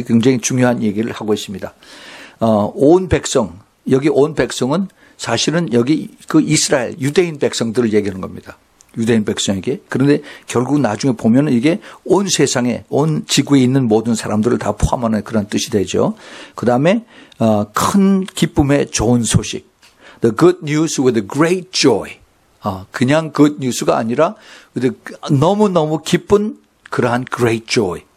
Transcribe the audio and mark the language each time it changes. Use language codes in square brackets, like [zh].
[ko] 이 굉장히 중요한 얘기를 하고 있습니다. 온 백성 여기 온 백성은 사실은 여기 그 이스라엘 유대인 백성들을 얘기하는 겁니다. 유대인 백성에게. 그런데 결국 나중에 보면 이게 온 세상에 온 지구에 있는 모든 사람들을 다 포함하는 그런 뜻이 되죠. 그 다음에 큰 기쁨의 좋은 소식. [en] The good news with a great joy. [ko] 그냥 good news가 아니라 너무너무 기쁜 그러한 great joy.